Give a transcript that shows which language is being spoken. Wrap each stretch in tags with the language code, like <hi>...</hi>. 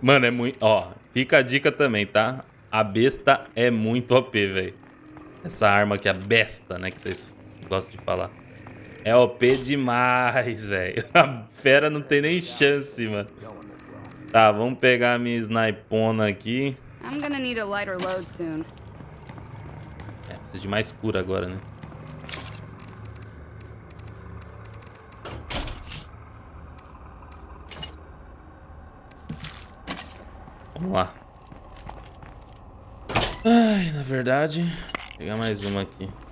<pt>Mano, é muito. Ó, fica a dica também, tá? A besta é muito OP, velho. Essa arma aqui, a besta, né? Que vocês gostam de falar. É OP demais, velho. A fera não tem nem chance, mano. Tá, vamos pegar a minha snipona aqui.</pt> <en>I'm gonna need a lighter load soon.</en> <pt>É, preciso de mais cura agora, né? Vamos lá. Ai, na verdade, vou pegar mais uma aqui.</pt>